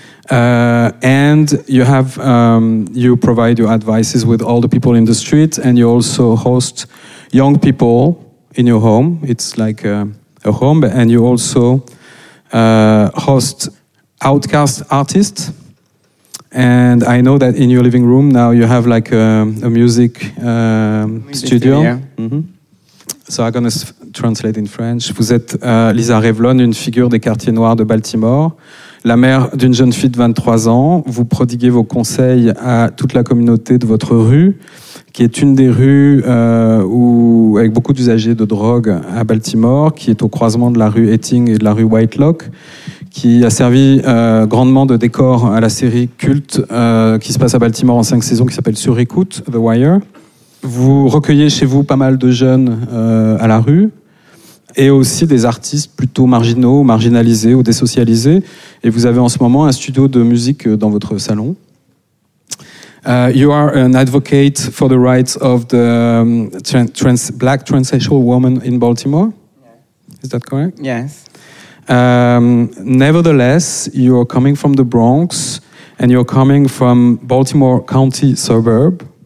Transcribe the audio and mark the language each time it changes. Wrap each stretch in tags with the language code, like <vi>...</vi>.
<en>And you have you provide your advices with all the people in the street, and you also host young people in your home. It's like a home, and you also host outcast artists. And I know that in your living room now you have like a music studio. Mm-hmm. So I'm gonna translate in French.</en> <fr>Vous êtes Lisa Revlon, une figure des quartiers noirs de Baltimore. La mère d'une jeune fille de 23 ans, vous prodiguez vos conseils à toute la communauté de votre rue, qui est une des rues où, avec beaucoup d'usagers de drogue à Baltimore, qui est au croisement de la rue Etting et de la rue White Lock, qui a servi grandement de décor à la série culte qui se passe à Baltimore en 5 saisons, qui s'appelle Sur Écoute, The Wire. Vous recueillez chez vous pas mal de jeunes à la rue, et aussi des artistes plutôt marginaux, marginalisés ou désocialisés. Et vous avez en ce moment un studio de musique dans votre salon.</fr> <en>You are an advocate for the rights of the black transsexual woman in Baltimore. Yeah. Is that correct? Yes. Nevertheless, you are coming from the Bronx, and you're coming from Baltimore County suburb.</en>